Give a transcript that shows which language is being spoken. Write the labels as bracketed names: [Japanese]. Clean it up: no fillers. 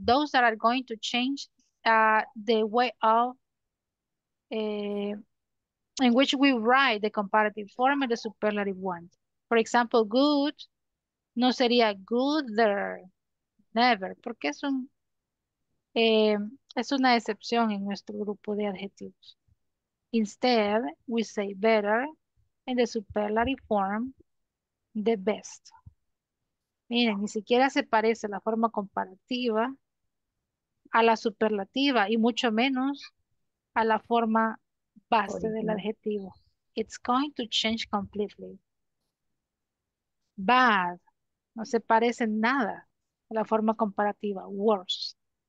[English] Those that are going to change the way of in which we write the comparative form and the superlative one. For example, [Spanish] good no sería gooder, never, porque es, es una excepción en nuestro grupo de adjetivos. [English] Instead, we say better in the superlative form, the best. [Spanish] Miren, ni siquiera se parece la forma comparativa a la superlativa y mucho menos a la forma base del adjetivo. [English] It's going to change completely. Bad. [Spanish] No se parece nada a la forma comparativa. Worst.